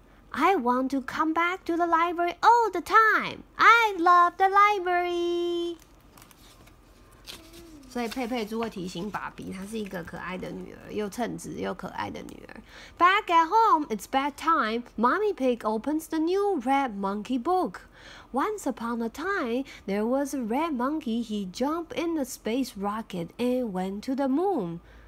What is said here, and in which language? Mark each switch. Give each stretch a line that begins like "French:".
English: I want to come back to the library all the time. I love the library.
Chinese: 所以佩佩猪会提醒爸比，她是一个可爱的女儿，又称职又可爱的女儿。
English: Back at home, it's bedtime. Mommy Pig opens the new red monkey book. Once upon a time, there was a red monkey. He jumped in the space rocket and went to the moon.